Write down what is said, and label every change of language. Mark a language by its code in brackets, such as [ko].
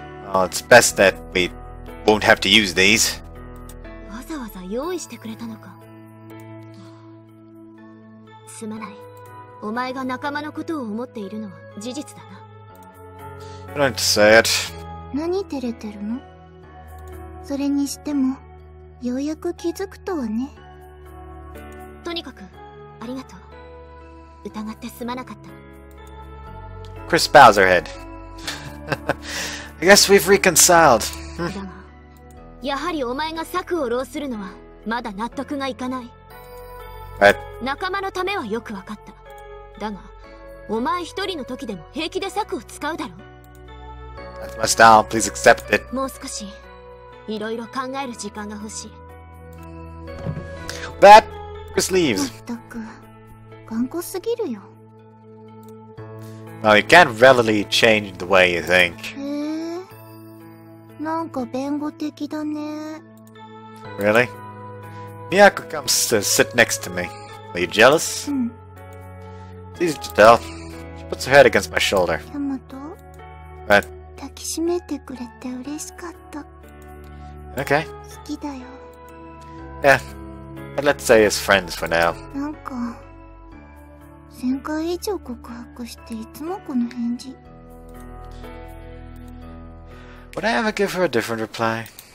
[en] Oh, it's best that we won't have to use these. [ja] わざわざ用意してくれたのか。すまない。お前が仲間のことを思っているのは事実だな。 [en] You don't say it. [ja] 何照れてるの？それにしても、ようやく気づくとはね。とにかく、ありがとう。疑ってすまなかった。 [en] Chris bows her head. I guess we've reconciled. [ja] やはりお前が策を弄するのはまだ納得がいかない。 [en] Right. [ja] 仲間のためはよくわかった。だが、お前一人の時でも平気で策を使うだろう。 [en] That's my style. Please accept it. [ja] もう少し、いろいろ考える時間が欲しい。 [en] That Chris leaves. [ja] まったく、頑固すぎるよ。 [en] Well, you can't readily change the way you think. [ja] なんか弁護的だね。 [en] Really? Miyako comes to sit next to me. Are you jealous? It's easy to tell. She puts her head against my shoulder. Yamato? What? [ja] 抱きしめてくれて嬉しかった。 [en] Okay. [ja] 好きだよ。 [en] Yeah. But let's say as friends for now. [ja] なんか、前回以上告白していつもこの返事。 [en] Would I ever give her a different reply?